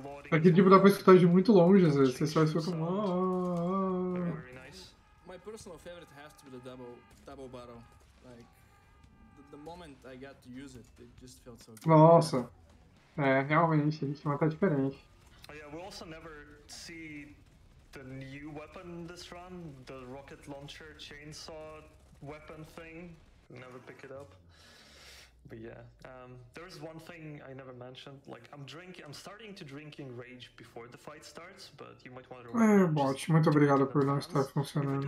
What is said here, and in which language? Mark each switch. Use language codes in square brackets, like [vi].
[pt] Aqui, tipo, dá pra escutar de muito longe, às vezes. Você só escuta um... [en] My personal favorite has to be the double barrel. Like, the moment I got to use it, it just felt so good. [pt] Nossa. É, realmente, a gente mata diferente. [en] Yeah, we also never see... The new weapon this run, the rocket launcher chainsaw weapon thing, never pick it up. But yeah, there's one thing I never mentioned. Like I'm starting to drink in rage before the fight starts, but you might wonder. [pt] Why bot, muito obrigado por não estar funcionando.